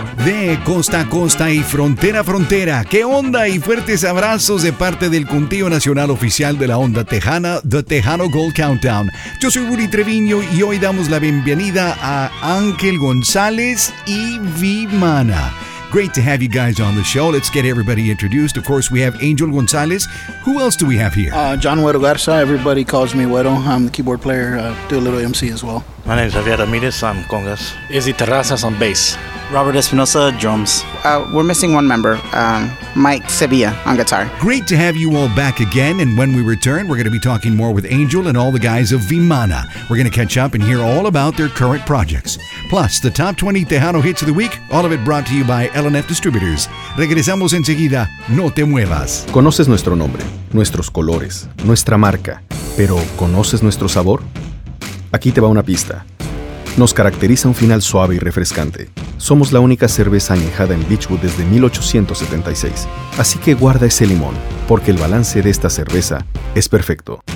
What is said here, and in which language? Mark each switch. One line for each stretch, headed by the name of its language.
Spanish: De costa a costa y frontera a frontera, ¿qué onda? Y fuertes abrazos de parte del Contigo Nacional Oficial de la Onda Tejana, The Tejano Gold Countdown. Yo soy Willy Treviño y hoy damos la bienvenida a Ángel González y Vimana.
English: Great to have you guys on the show. Let's get everybody introduced. Of course, we have Angel González. Who else do we have here? John Huero Garza. Everybody calls me Huero. I'm the keyboard player. Do a little MC as well. My name is Javier Ramirez. I'm congas. Izzy Terrazas on bass. Robert Espinosa, drums. We're missing one member, Mike Sevilla on guitar. Great to have you all back again. And when we return, we're going to be talking more with Angel and all the guys of Vimana. We're going to catch up and hear all about their current projects. Plus, the top 20 Tejano hits of the week, all of it brought to you by LNF Distributors.
Spanish: Regresamos enseguida. No te muevas. ¿Conoces nuestro nombre, nuestros colores, nuestra marca, pero conoces nuestro sabor? Aquí te va una pista. Nos caracteriza un final suave y refrescante. Somos la única cerveza añejada en Beechwood desde 1876. Así que guarda ese limón, porque el balance de esta cerveza es perfecto.